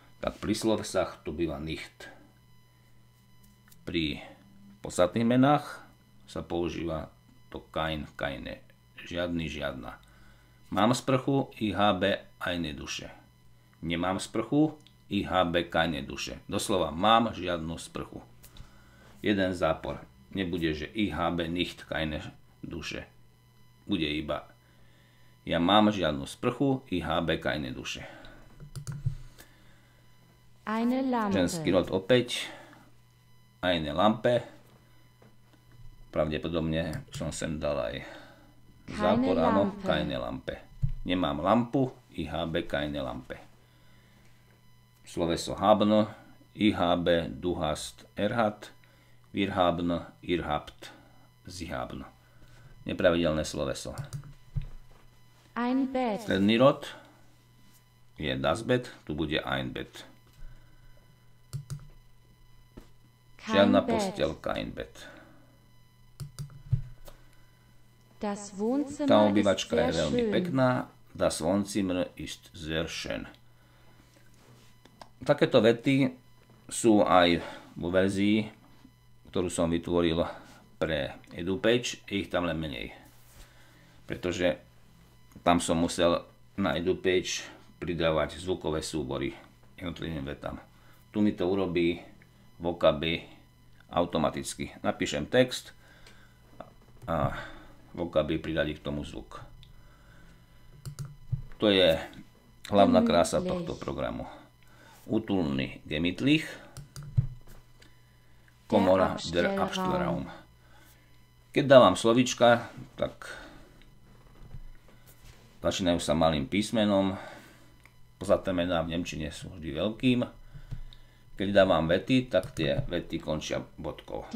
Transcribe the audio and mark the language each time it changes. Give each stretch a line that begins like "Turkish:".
Slovak: Tak pri slovesách tu býva nicht. Pri posadných menách sa používa to kein, keine. Žiadny, žiadna. Mám sprchu,
German: ich habe eine Dusche.
Slovak: Nemám sprchu,
German: ich habe keine Dusche.
Slovak: Doslova, mám žiadnu sprchu. Jeden zápor. Nebude, že
German: ich habe nicht keine Dusche.
Slovak: Bude iba, ja mám žiadnu sprchu,
German: ich habe keine Dusche. Eine Lampe.
Slovak: Ženský rod opäť.
German: Eine Lampe.
Slovak: Pravdepodobne som sem dal aj zápor, áno,
German: keine Lampe.
Slovak: Nemám lampu,
German: ich habe keine Lampe. Sloveso haben, ich habe, du hast, er hat, wir haben, ihr habt, sie haben.
Slovak: Nepravidelné sloveso.
German: Ein Bett.
Slovak: Stredný rod je das Bett, tu bude ein Bett.
German: Kein
Slovak: Žiadna
German: Bett. Postel, kein Bett. Das Wohnzimmer
Slovak: tá obývačka je veľmi
German: schön.
Slovak: Pekná.
German: Das Wohnzimmer ist sehr schön.
Slovak: Takéto vety sú aj vo verzii, ktorú som vytvoril pre EduPage. Ich tam len menej. Pretože tam som musel na EduPage pridávať zvukové súbory jednotlivým vetám. Tu mi to urobí Vocaby automaticky. Napíšem text a Vocaby pridali k tomu zvuk. To je hlavná krása tohto programu. Utulný gemitlich.
German: Komora der Abstellraum.
Slovak: Keď dávam slovička, tak začínajú sa malým písmenom. Posledné mená v nemčine sú vždy veľkým. Keď dávam vety, tak tie vety končia bodkou.